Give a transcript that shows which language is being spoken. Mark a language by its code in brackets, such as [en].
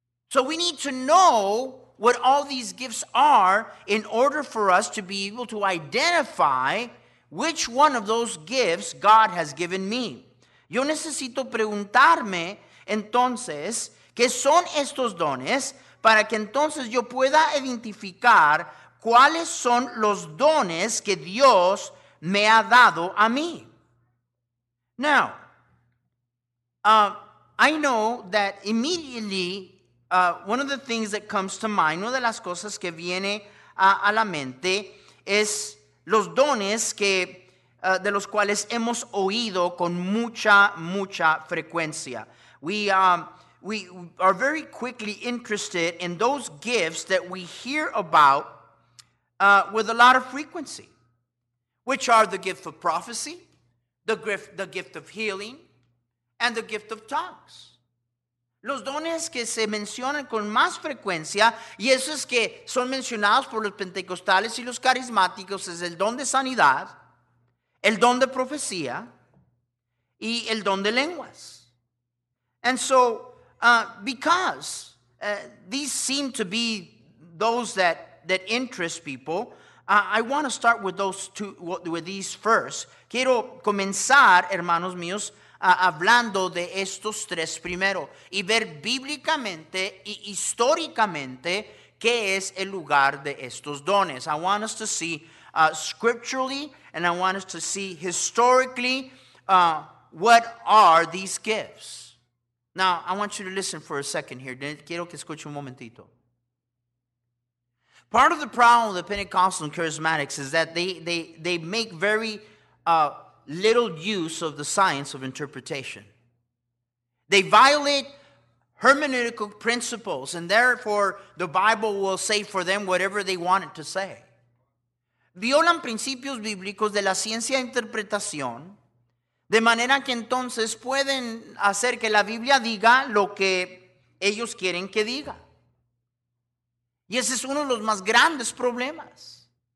[en] So we need to know what all these gifts are in order for us to be able to identify which one of those gifts God has given me. [es] Yo necesito preguntarme, entonces, ¿qué son estos dones? Para que entonces yo pueda identificar cuáles son los dones que Dios me ha dado a mí. [en] Now, I know that immediately one of the things that comes to mind, [es] una de las cosas que viene a la mente es los dones que de los cuales hemos oído con mucha, mucha frecuencia. [en] We are very quickly interested in those gifts that we hear about with a lot of frequency, which are the gift of prophecy, the gift of healing, and the gift of tongues. [es] Los dones que se mencionan con más frecuencia, y eso es que son mencionados por los pentecostales y los carismáticos, es el don de sanidad, el don de profecía, y el don de lenguas. [en] And so, because these seem to be those that that interest people, I want to start with those two, with these first. [es] Quiero comenzar, hermanos míos, hablando de estos tres primero y ver bíblicamente y históricamente qué es el lugar de estos dones. [en] I want us to see scripturally and I want us to see historically what are these gifts. Now, I want you to listen for a second here. [es] Quiero que escuche un momentito. [en] Part of the problem with the Pentecostal and Charismatics is that they make very little use of the science of interpretation. They violate hermeneutical principles, and therefore the Bible will say for them whatever they want it to say. [es] Violan principios bíblicos de la ciencia de interpretación, de manera que entonces pueden hacer que la Biblia diga lo que ellos quieren que diga. Y ese es uno de los más grandes problemas.